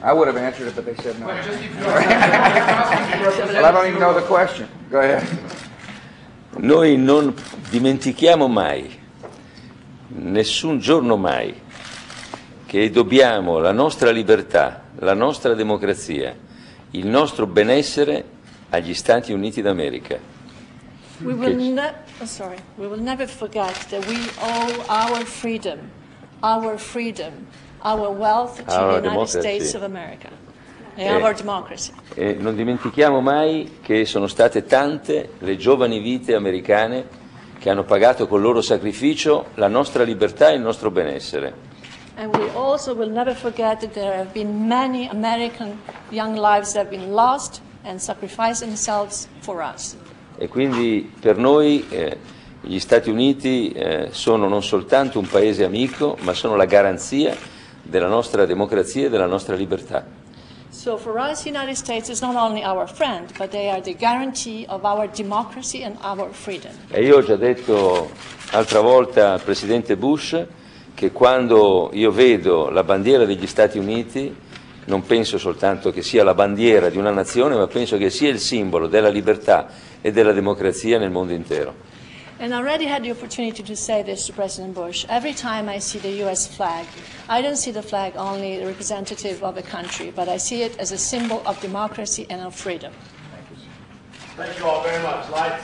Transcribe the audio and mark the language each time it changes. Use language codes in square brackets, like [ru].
[en] I would have answered it, but they said no. Well, I don't even know the question. Go ahead. [it] Noi non dimentichiamo mai, nessun giorno mai, che dobbiamo la nostra libertà, la nostra democrazia, il nostro benessere agli Stati Uniti d'America. [en] We will never forget that we owe our freedom, our wealth to our the United States of America and our democracy. [it] E non dimentichiamo mai che sono state tante le giovani vite americane che hanno pagato col loro sacrificio la nostra libertà e il nostro benessere. [en] And we also will never forget that there have been many American young lives that have been lost and sacrificed themselves for us. [it] E quindi per noi gli Stati Uniti sono non soltanto un paese amico, ma sono la garanzia della nostra democrazia e della nostra libertà. [en] So for us the United States is not only our friend, but they are the guarantee of our democracy and our freedom. [it] E io ho già detto altra volta al presidente Bush che quando io vedo la bandiera degli Stati Uniti non penso soltanto che sia la bandiera di una nazione, ma penso che sia il simbolo della libertà e della democrazia nel mondo intero. [en] And I already had the opportunity to say this to President Bush. Every time I see the US flag, I don't see the flag only representative of a country, but I see it as a symbol of democracy and of freedom. Thank you, sir. Thank you all very much. Lights.